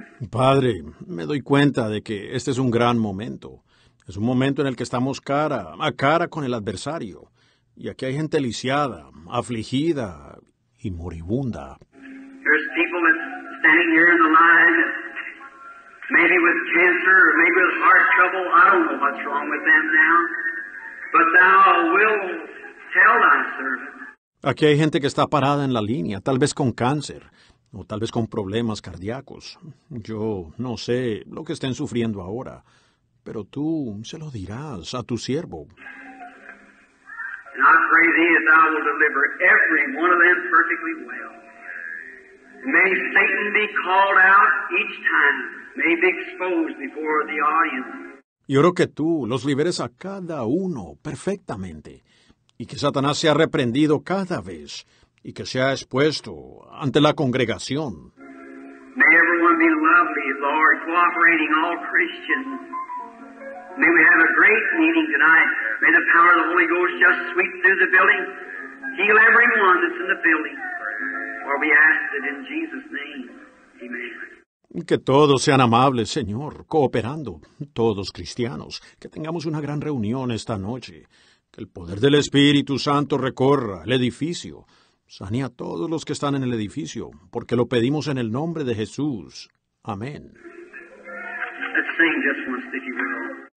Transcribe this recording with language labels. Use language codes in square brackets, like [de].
[es] Padre, me doy cuenta de que este es un gran momento. Es un momento en el que estamos cara a cara con el adversario. Y aquí hay gente lisiada, afligida y moribunda. [en] There's people that's standing here in the line, maybe with cancer, maybe with heart trouble. I don't know what's wrong with them now. But thou will tell thy servant. [es] Aquí hay gente que está parada en la línea, tal vez con cáncer. O tal vez con problemas cardíacos. Yo no sé lo que estén sufriendo ahora, pero tú se lo dirás a tu siervo. [en] And I pray thee that thou will deliver every one of them perfectly well. May Satan be called out each time, may be exposed before the audience. [es] Y oro que tú los liberes a cada uno perfectamente, y que Satanás sea reprendido cada vez. Y que sea expuesto ante la congregación. [en] May everyone be lovely, Lord, cooperating all Christians. May we have a great meeting tonight. May the power of the Holy Ghost just sweep through the building. Heal everyone that's in the building. For we ask it in Jesus' name. Amen. [es] Que todos sean amables, Señor, cooperando, todos cristianos. Que tengamos una gran reunión esta noche. Que el poder del Espíritu Santo recorra el edificio. Sane a todos los que están en el edificio, porque lo pedimos en el nombre de Jesús. Amén. [en] Let's sing just once, if you will.